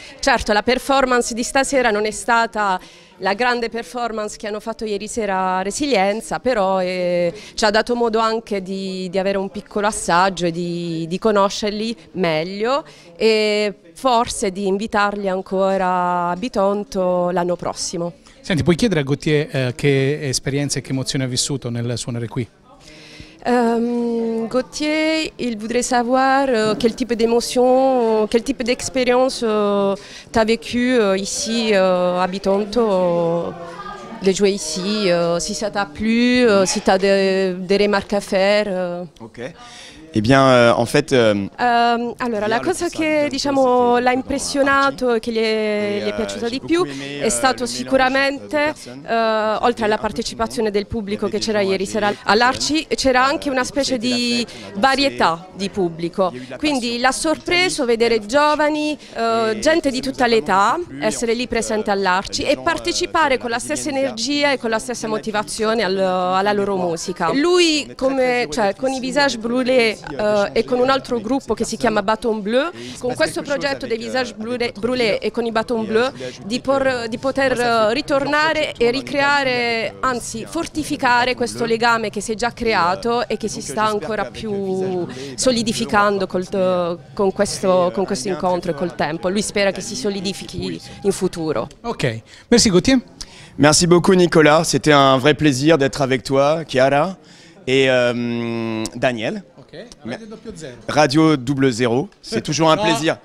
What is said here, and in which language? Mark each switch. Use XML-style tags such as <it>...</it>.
<it>Certo, la performance di stasera non è stata la grande performance che hanno fatto ieri sera a Resilienza, però ci ha dato modo anche di avere un piccolo assaggio e di conoscerli meglio e forse di invitarli ancora a Bitonto l'anno prossimo. Senti, puoi chiedere a Gauthier che esperienza e che emozione ha vissuto nel suonare qui?</it> <fr>Gauthier, il voudrait savoir quel type d'émotion, quel type d'expérience t'as vécu ici à Bitonto, de jouer ici, si ça t'a plu, si t'as des remarques à faire. Ok. Eh bien, en fait,</fr> <it>allora, la cosa che diciamo l'ha impressionato e che gli è piaciuta di più è stato sicuramente, oltre alla partecipazione del pubblico che c'era ieri sera all'Arci, c'era anche una specie di varietà di pubblico. Quindi l'ha sorpreso vedere giovani, gente di tutta l'età, essere lì presente all'Arci e partecipare con la stessa energia e con la stessa motivazione alla loro musica. Lui, con i Visages Brûlés, e con un altro gruppo che si chiama Bâton Bleu, con questo progetto dei Visages Brûlés e con i Bâton Bleu di poter ritornare e ricreare, anzi fortificare questo legame che si è già creato e che si sta ancora più solidificando con questo incontro e col tempo. Lui spera che si solidifichi in futuro.</it> <fr>Ok, merci Gauthier. Merci beaucoup Nicolas, c'était un vrai plaisir d'être avec toi, Chiara et Daniel. Okay. Radio 00, c'est toujours un plaisir.</fr>